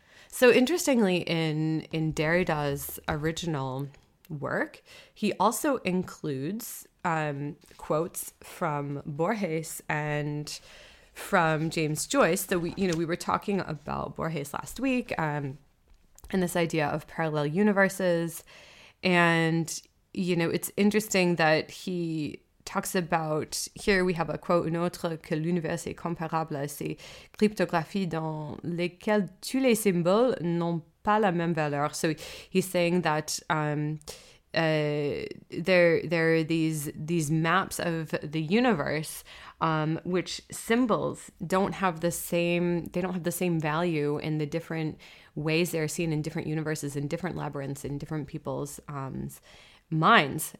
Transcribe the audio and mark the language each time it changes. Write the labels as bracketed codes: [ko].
[en] So interestingly, in Derrida's original work, he also includes quotes from Borges and from James Joyce. So we were talking about Borges last week, and this idea of parallel universes. And, you know, it's interesting that he talks about, here we have a quote, [fr] une autre que l'univers est comparable à ces cryptographies dans lesquelles tous les symboles n'ont pas la même valeur. [en] So he's saying that there are these maps of the universe, which symbols don't have the same, they don't have the same value in the different ways they're seen in different universes, in different labyrinths, in different people's minds.